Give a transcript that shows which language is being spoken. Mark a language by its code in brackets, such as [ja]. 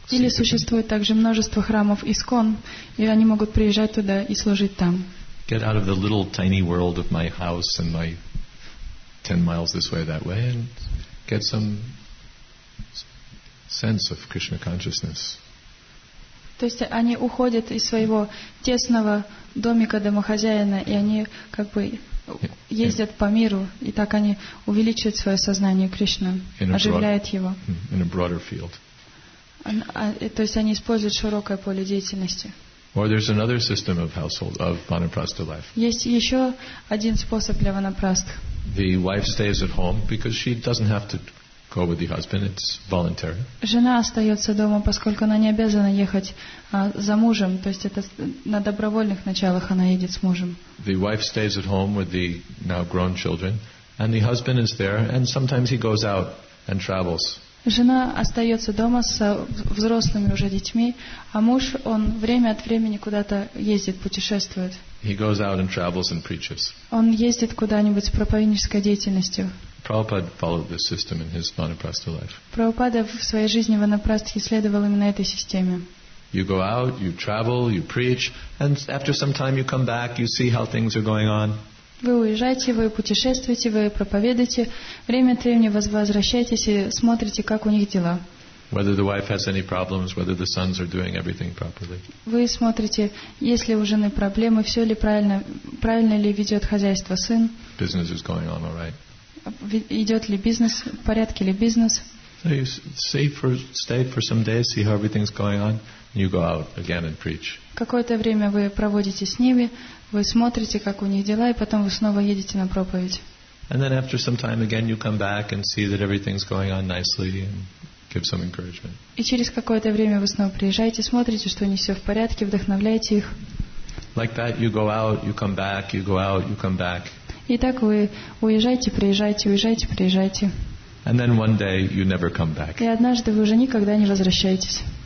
[ru] Или существует также множество храмов ИСКОН, и они могут приезжать туда и служить там. [en] Get out of the little tiny world of my house and my 10 miles this way, that way, and get some sense of Krishna consciousness. [ru] То есть они уходят из своего тесного домика домохозяина, и они как бы ездят по миру, и так они увеличивают свое сознание Кришны, оживляют его. [en] In a broader field. [ru] То есть они используют широкое поле деятельности. [en] Or there's another system of household of vanaprastha life. [ru] Есть еще один способ для ванапрастх. [en] The wife stays at home because she doesn't have to go with the husband. It's voluntary. [ru] Жена остается дома, поскольку она не обязана ехать за мужем. То есть это на добровольных началах она едет с мужем. [en] The wife stays at home with the now grown children, and the husband is there, and sometimes he goes out and travels. [ru] Жена остается дома с взрослыми уже детьми, а муж, он время от времени куда-то ездит, путешествует. [en] He goes out and travels and preaches. [ru] Он ездит куда-нибудь с проповеднической деятельностью. [en] Prabhupada followed this system in his vanaprastha life. [ru] Prabhupada в своей жизни ванапрастхи следовал именно этой системе. [en] You go out, you travel, you preach, and after some time you come back, you see how things are going on. [ru] Вы уезжаете, вы путешествуете, вы проповедуете, время от времени возвращаетесь и смотрите, как у них дела. [en] Whether the wife has any problems, whether the sons are doing everything properly. [ru] Вы смотрите, есть ли у жены проблемы, все ли правильно ли ведет хозяйство сын. [en] Business is going on all right. [ru] Идет ли бизнес, в порядке ли бизнес? [en] So you stay for some days, see how everything's going on, and you go out again and preach. [ru] Какое-то время вы проводите с ними, вы смотрите, как у них дела, и потом вы снова едете на проповедь. [en] And then after some time again, you come back and see that everything's going on nicely and give some encouragement. [ru] И через какое-то время вы снова приезжаете, смотрите, что у них все в порядке, вдохновляете их. [en] Like that, you go out, you come back, you go out, you come back. [ru] И так вы уезжаете, приезжаете, уезжаете, приезжаете. [en] And then one day you never come back. [ru] И однажды вы уже никогда не возвращаетесь.